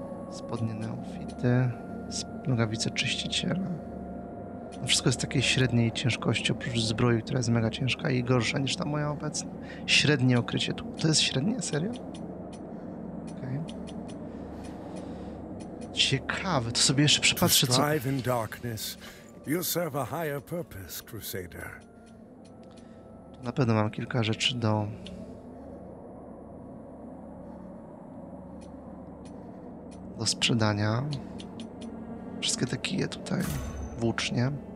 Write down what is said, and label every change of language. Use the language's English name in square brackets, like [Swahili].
[Polish] Spodnie neofity, nogawice czyściciela. No wszystko jest takiej średniej ciężkości, oprócz zbroi, która jest mega ciężka i gorsza niż ta moja obecna. Średnie okrycie tu. To jest średnie? Serio? Okej. Okay. Ciekawe, to sobie jeszcze przypatrzę co... [English] Strive in darkness, you serve a higher purpose, Crusader. [Polish] Na pewno mam kilka rzeczy do... do sprzedania. Wszystkie te kije tutaj, włócznie.